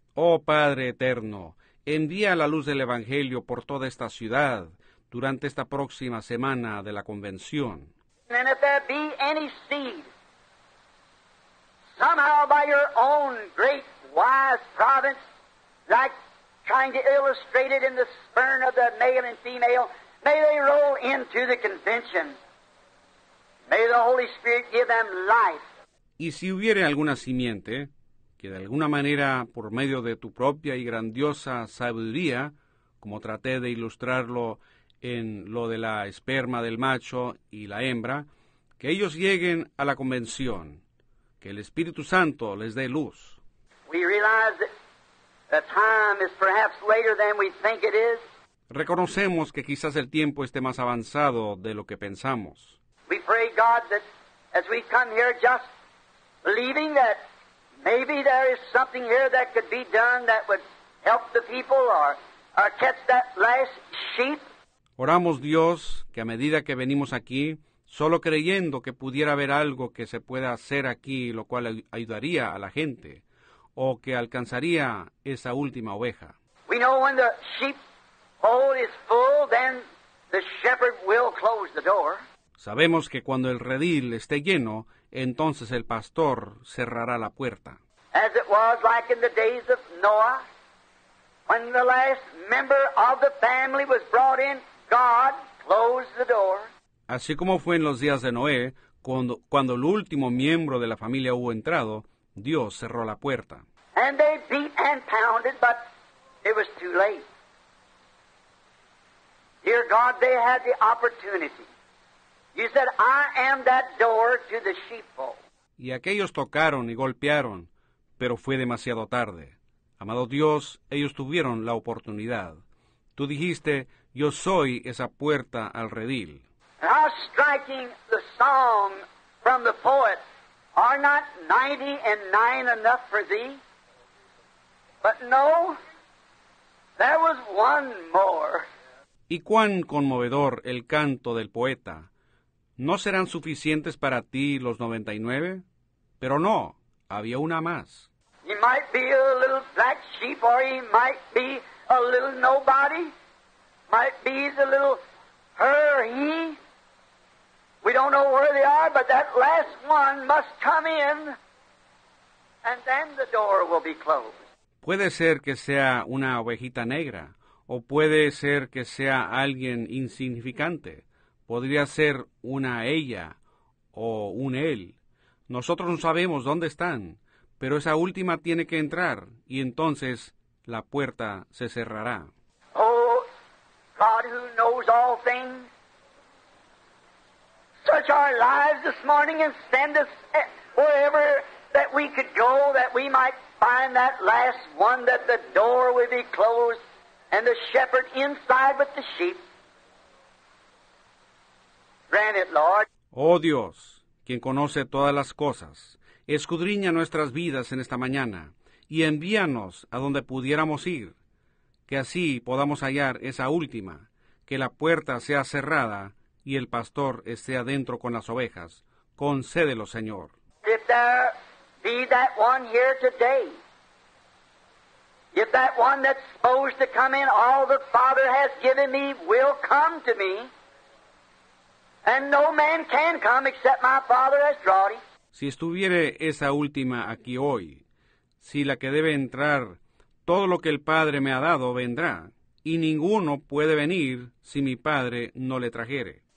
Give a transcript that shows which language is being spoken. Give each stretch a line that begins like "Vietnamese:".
Spanish: Oh, Padre eterno, envía la luz del Evangelio por toda esta ciudad durante esta próxima semana de la convención.
English: And if there be any seed, somehow by your own great wise providence, like trying to illustrate it in the spurn of the male and female, may they roll into the convention. May the Holy Spirit give them life.
Spanish: Y si hubiere alguna simiente, que de alguna manera, por medio de tu propia y grandiosa sabiduría, como traté de ilustrarlo en lo de la esperma del macho y la hembra, que ellos lleguen a la convención, que el Espíritu Santo les dé luz.
English: We realize that the time is perhaps later than we think it is.
Spanish: Reconocemos que quizás el tiempo esté más avanzado de lo que pensamos.
English: We pray, God, that as we come here just believing that maybe there is something here that could be done that would help the people or catch that last sheep.
Spanish: Oramos, Dios, que a medida que venimos aquí, solo creyendo que pudiera haber algo que se pueda hacer aquí, lo cual ayudaría a la gente, o que alcanzaría esa última oveja.
English: We know when the sheepfold is full, then the shepherd will close the door.
Spanish: Sabemos que cuando el redil esté lleno, entonces el pastor cerrará la puerta.
English: As it was like in the days of Noah, when the last member of the family was brought in, God closed the door.
Spanish: Así como fue en los días de Noé, cuando el último miembro de la familia hubo entrado, Dios cerró la puerta.
English: And they beat and pounded, but it was too late. Dear God, they had the opportunity. You said, I am that door to the sheepfold.
Spanish: Y aquellos tocaron y golpearon, pero fue demasiado tarde. Amado Dios, ellos tuvieron la oportunidad. Tú dijiste, yo soy esa puerta al redil.
English: How striking the song from the poet. Are not 99 enough for thee? But no, there was one more.
Spanish: Y cuán conmovedor el canto del poeta. ¿No serán suficientes para ti los 99? Pero no, había una más.
English: He might be a little black sheep, or he might be a little nobody. Might be the little her, he. We don't know where they are, but that last one must come in, and then the door will be closed.
Spanish: Puede ser que sea una ovejita negra, o puede ser que sea alguien insignificante. Podría ser una ella o un él. Nosotros no sabemos dónde están, pero esa última tiene que entrar, y entonces la puerta se cerrará.
English: Oh, God who knows all things, search our lives this morning and send us wherever that we could go that we might find that last one that the door would be closed and the shepherd inside with the sheep. Grant it, Lord.
Spanish: Oh Dios, quien conoce todas las cosas, escudriña nuestras vidas en esta mañana y envíanos a donde pudiéramos ir, que así podamos hallar esa última, que la puerta sea cerrada y el pastor esté adentro con las ovejas. Concédelo, Señor.
English: If there be that one here today, if that one that's supposed to come in, all the Father has given me will come to me, and no man can come except my Father has drawn him.
Spanish: Si estuviere esa última aquí hoy, si la que debe entrar, todo lo que el Padre me ha dado vendrá, y ninguno puede venir si mi Padre no le trajere.